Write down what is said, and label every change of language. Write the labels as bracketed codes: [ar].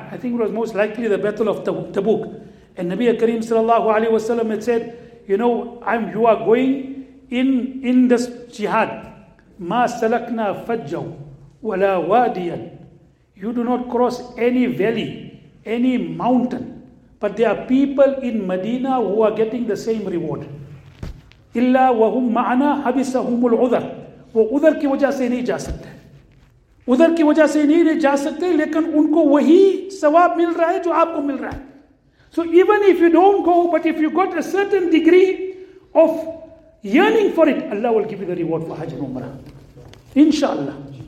[en] I think it was most likely the battle of Tabuk. And Nabi Karim sallallahu alayhi wa sallam had said, you know, you are going in this jihad. [ar] Ma salakna fajjaw wala wadiyan. [en] You do not cross any valley, any mountain. But there are people in Medina who are getting the same reward. [ar] إلا وهم معنا حبسهم العذر. [ur] وہ عذر کی وجہ سے نہیں جا سکتے, عذر کی وجہ سے نہیں جا سکتے, لیکن ان کو وہی ثواب مل رہا ہے جو آپ کو مل رہا ہے. [en] So even if you don't go but if you get a certain degree of yearning for it, اللہ will give you the reward for حج عمرہ انشاءاللہ.